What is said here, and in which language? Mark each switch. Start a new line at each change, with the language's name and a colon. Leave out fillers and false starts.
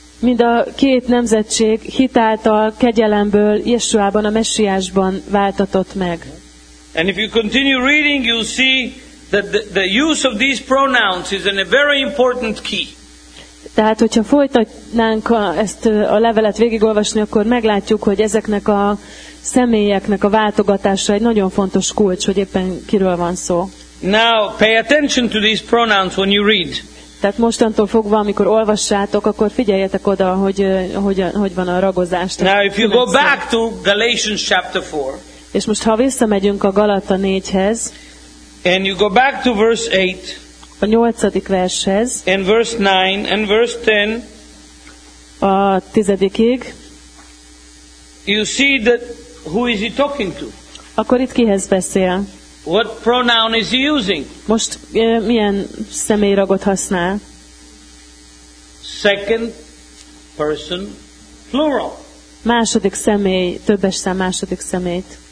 Hungarian: Mind a két nemzetség hitáltal, kegyelemből, Jesuában, a Messiásban váltatott meg.
English: And if you continue reading, you'll see that the use of these pronouns is in a very important key.
Hungarian: Tehát, hogyha folytatnánk ezt a levelet végigolvasni, akkor meglátjuk, hogy ezeknek a személyeknek a váltogatása egy nagyon fontos kulcs, hogy éppen kiről van szó.
English: Now, pay attention to these pronouns when you read.
Hungarian: Tehát mostantól fogva, amikor olvassátok, akkor figyeljetek oda, hogy van a ragozás.
English: Now, if you go back to Galatians chapter 4.
Hungarian: És most, ha visszamegyünk a Galata 4-hez.
English: And you go back to verse 8.
Hungarian: A 8. vershez.
English: And verse 9 and verse 10.
Hungarian: A 10-ig.
English: You see that who is he talking to?
Hungarian: Akkor itt kihez beszél?
English: What pronoun is he using?
Hungarian: Most milyen személyragot használ?
English: Second person plural.
Hungarian: Második személy, többes szám második személyt.